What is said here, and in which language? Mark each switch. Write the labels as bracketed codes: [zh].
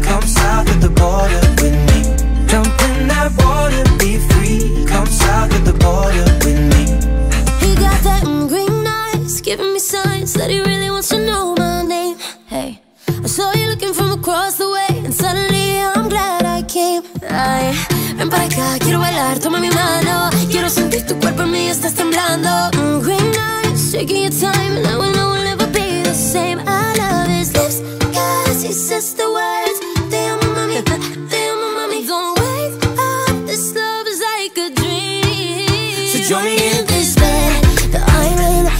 [en] Come south of the border with me. Jump in that water, be free. Come south of the border with me. He got that green eyes, giving me signs that he really wants to know my name. Hey, I saw you looking from across the way, and suddenly I'm glad I came. [es] Ay, ven para acá, quiero bailar, toma mi mano. Quiero sentir tu cuerpo en mí, estás temblando. [en] Green eyes, taking your time, and now I know we'll never be the same. I love his lips, cause he says the words. They are my mommy, they are my mommy. Don't wake up, this love is like a dream. So join me in this bed that I'm in.